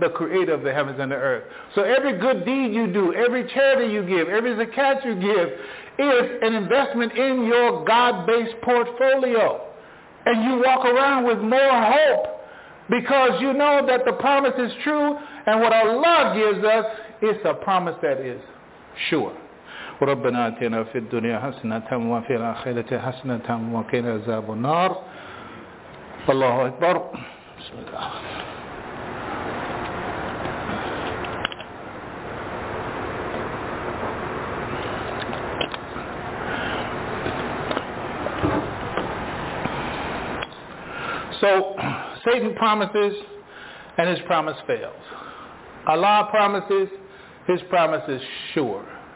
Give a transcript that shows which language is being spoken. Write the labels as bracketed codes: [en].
[en] The creator of the heavens and the earth. So every good deed you do, every charity you give, every zakat you give is an investment in your God-based portfolio. And you walk around with more hope because you know that the promise is true, and what Allah gives us is a promise that is sure. [ar] ربنا آتنا في الدنيا حسنة وفي الآخرة حسنة وقنا عذاب النار الله أكبر بسم الله [en] So Satan promises and his promise fails. Allah promises, his promise is sure.